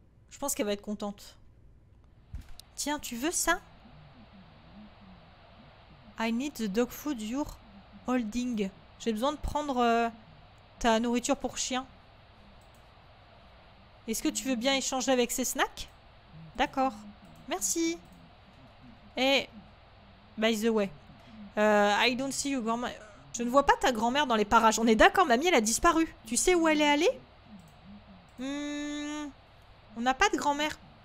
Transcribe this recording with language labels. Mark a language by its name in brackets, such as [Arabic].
[French] Je pense qu'elle va être contente. Tiens, tu veux ça? [English] I need the dog food you're holding. [French] J'ai besoin de prendre ta nourriture pour chien. Est-ce que tu veux bien échanger avec ces snacks? D'accord. Merci. [English] Et, by the way, I don't see you, grandma... [French] Je ne vois pas ta grand-mère dans les parages. On est d'accord, mamie, elle a disparu. Tu sais où elle est allée? On n'a pas de grand-mère.